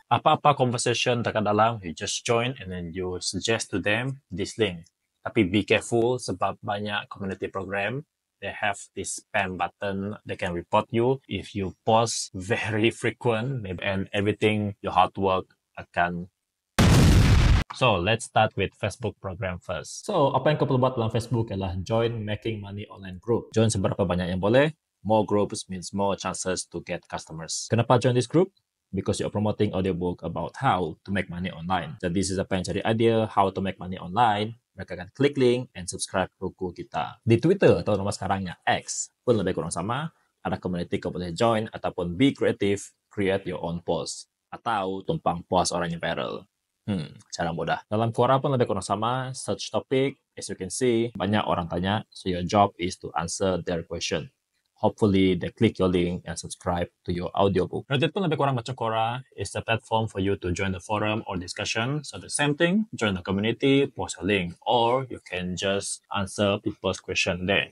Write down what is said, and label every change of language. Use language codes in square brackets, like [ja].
[ms] Apa-apa [en] conversation [ms] dekat dalam, [en] you just join and then you suggest to them this link. Tapi be careful [ms] sebab banyak [en] community program, they have this spam button, they can report you if you post very frequent, and everything, your hard work akan. So let's start with Facebook program first. [ms] So apa yang kau perlu buat dalam Facebook ialah [en] join making money online group. [ms] Join seberapa banyak yang boleh. [en] More groups means more chances to get customers. [ms] Kenapa [en] join this group? Because you're promoting audiobook about how to make money online. So this is a pencari idea how to make money online. [ms] Mereka akan klik link and subscribe buku kita. Di Twitter atau nama sekarangnya X pun lebih kurang sama. Ada community kau boleh join ataupun [en] be creative, create your own post. [ms] Atau tumpang post orang yang viral. Cara mudah. Dalam Quora pun lebih kurang sama. [en] Search topic, as you can see, [ms] banyak orang tanya. [en] So your job is to answer their question. Hopefully they click your link and subscribe to your audiobook. Reddit [ms] pun lebih kurang macam [en] Quora. It's a platform for you to join the forum or discussion. So the same thing, join the community, post your link, or you can just answer people's question there.